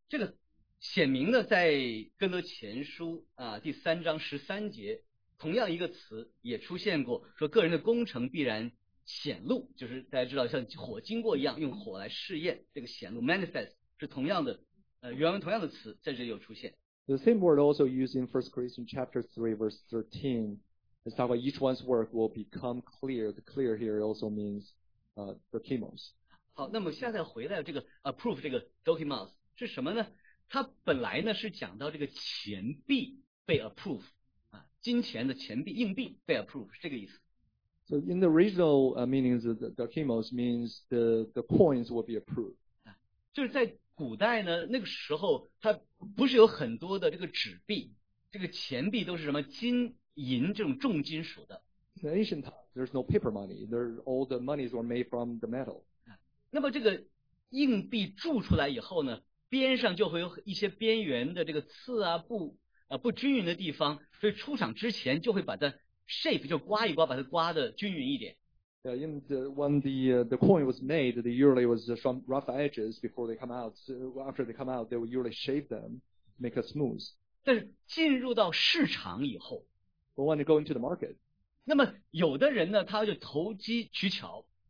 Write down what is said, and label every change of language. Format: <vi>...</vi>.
<zh>这个显明呢，在哥罗前书第三章十三节，同样一个词也出现过，说个人的工程必然显露，就是大家知道像火经过一样，用火来试验，这个显露 manifest 是同样的，原文同样的词在这里有出现。</zh> <en>The same word also used in First Corinthians chapter 3 verse 13 is talking about each one's work will become clear. The clear here also means the chemos.</en> <zh>好，那么现在回来这个 approve 这个 dokimos 是什么呢？它本来呢是讲到这个钱币被 approve 啊，金钱的钱币硬币被 approve 是这个意思。</zh> <en>So in the original meanings, the dokimos means the coins will be approved.</en> <zh>就是在古代呢，那个时候它不是有很多的这个纸币，这个钱币都是什么金银这种重金属的。</zh> <en>In ancient times, there's no paper money. All the monies were made from the metal.</en> <zh>那么这个硬币铸出来以后呢，边上就会有一些边缘的这个刺啊不均匀的地方，所以出厂之前就会把它 shape 就刮一刮，把它刮的均匀一点。</zh> <en>Yeah, in the, when the coin was made, they usually was some rough edges before they come out. So after they come out, they will usually shape them, make it smooth.</en> <zh>但是进入到市场以后</zh> <en>，But when they go into the market,</en> <zh>那么有的人呢，他就投机取巧。</zh>